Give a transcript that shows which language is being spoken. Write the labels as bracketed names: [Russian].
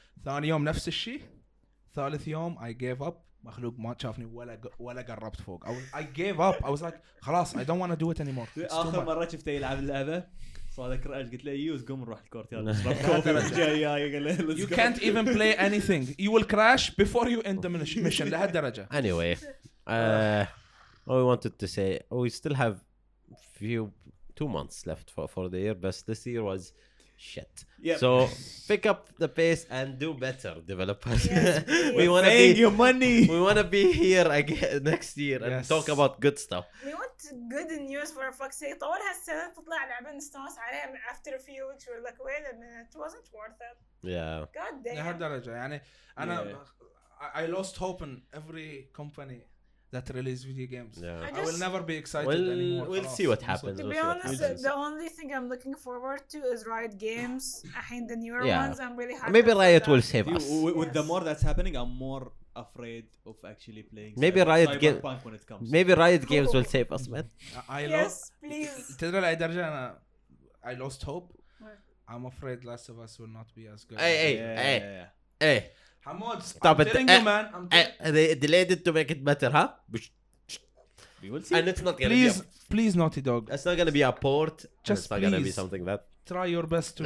[Arabic] ثاني يوم نفس الشيء. ثالث يوم [English] I gave up. [Arabic] مخلوق ما شافني ولا قربت فوق. I gave up. [English] I was like [Arabic] خلاص [English] I don't want to do it anymore. [Arabic] آخر مرة شفته يلعب اللعبة صادق رأج قلت له يوز قوم نروح الكورت يلا نشرب كوفي جاي قال له [English] you can't even play anything. You will crash before you end the mission [Arabic] لهالدرجة. [English] Anyway, all we wanted to say we still have two months left for the year, but this year was shit. Yep. So pick up the pace and do better, developers. Yes, we want to be your money. We want to be here again next year and yes. talk about good stuff. We want good news for fuck's sake. [Arabic] طول هالسنة تطلع لعبة نستانس عليها [English] after a few weeks we're like wait a minute it wasn't worth it. Yeah. God damn. [Arabic] لهالدرجة يعني أنا [English] I lost hope in every company. That release video games. Yeah. I will never be excited anymore. We'll see what happens. To be honest, the only thing I'm looking forward to is Riot Games. The newer ones, I'm really happy. Maybe Riot will save us. With the more that's happening, I'm more afraid of actually playing. Maybe Riot Cyberpunk when it comes. Maybe Riot Games will save us, man. Yes, please. [Arabic] تدري لأي درجة أنا [English] I lost hope. I'm afraid Last of Us will not be as good. Hey. I'm telling you, man. Delayed it to make it better, huh? We will see. And it's not gonna please, Naughty Dog. It's not gonna be a port. Just it's not gonna be something that. Try your best to.